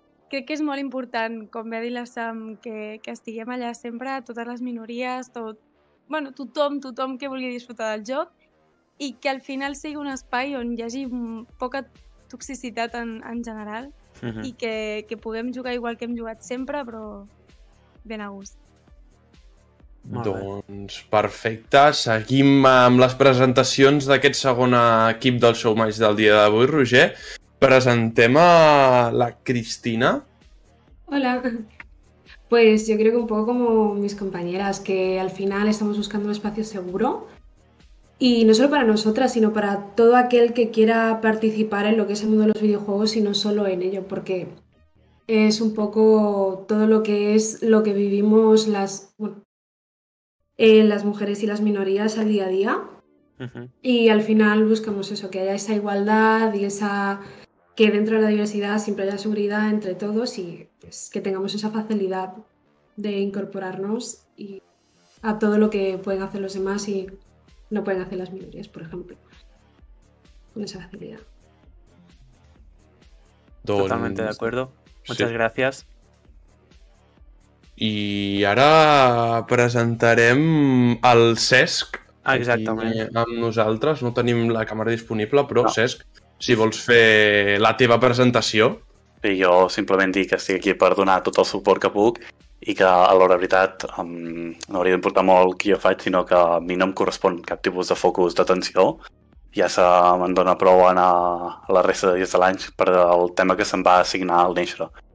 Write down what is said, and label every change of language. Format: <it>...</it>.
<ca>Crec que és molt important, com va dir la Sam, que estiguem allà sempre, totes les minories, tothom que vulgui disfrutar del joc, i que al final sigui un espai on hi hagi poca toxicitat en general, i que puguem jugar igual que hem jugat sempre, però ben a gust. Doncs perfecte, seguim amb les presentacions d'aquest segon equip del Showmatch del dia d'avui, Roger. Presentem a la Cristina. Hola.</ca> <es>Pues yo creo que un poco como mis compañeras, que al final estamos buscando un espacio seguro y no solo para nosotras, sino para todo aquel que quiera participar en lo que es el mundo de los videojuegos y no solo en ello, porque es un poco todo lo que es lo que vivimos las mujeres y las minorías al día a día. Y al final buscamos eso, que haya esa igualdad y esa... que dentro de la diversidad siempre haya seguridad entre todos y pues, que tengamos esa facilidad de incorporarnos y a todo lo que pueden hacer los demás y no pueden hacer las minorías, por ejemplo, con esa facilidad. Totalmente de acuerdo. Muchas sí. Gracias. Y ahora presentaremos al Cesc. Exactamente.</es> <ca>Amb nosaltres.</ca> <es>No tenemos la cámara disponible, pero no.</es> <ca>Cesc, si vols fer la teva presentació. I jo simplement dic que estic aquí per donar tot el suport que puc i que a l'hora de veritat no hauria d'importar molt qui jo faig, sinó que a mi no em correspon cap tipus de focus d'atenció. Ja se me'n dona prou anar a la resta de dies de l'any per el tema que se'm va assignar al néixer.</ca>